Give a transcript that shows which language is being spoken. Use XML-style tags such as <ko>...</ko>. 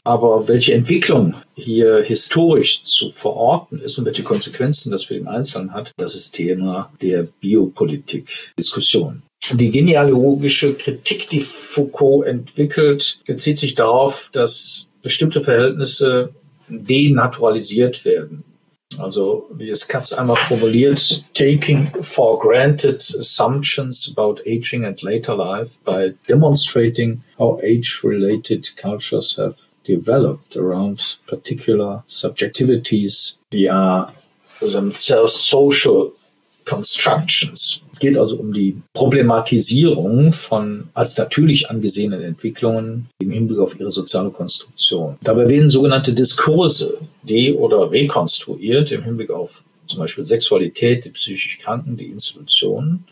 <de>Aber welche Entwicklung hier historisch zu verorten ist und welche Konsequenzen das für den Einzelnen hat, das ist Thema der Biopolitik-Diskussion. Die genealogische Kritik, die Foucault entwickelt, bezieht sich darauf, dass bestimmte Verhältnisse denaturalisiert werden. Also, wie es Katz einmal formuliert,</de> <en>taking for granted assumptions about aging and later life by demonstrating how age-related cultures have developed around particular subjectivities via themselves social constructions.</en> <de>Es geht also um die Problematisierung von als natürlich angesehenen Entwicklungen im Hinblick auf ihre soziale Konstruktion. Dabei werden sogenannte Diskurse de- oder rekonstruiert im Hinblick auf zum Beispiel Sexualität, die psychisch Kranken, die Institutionen.</de>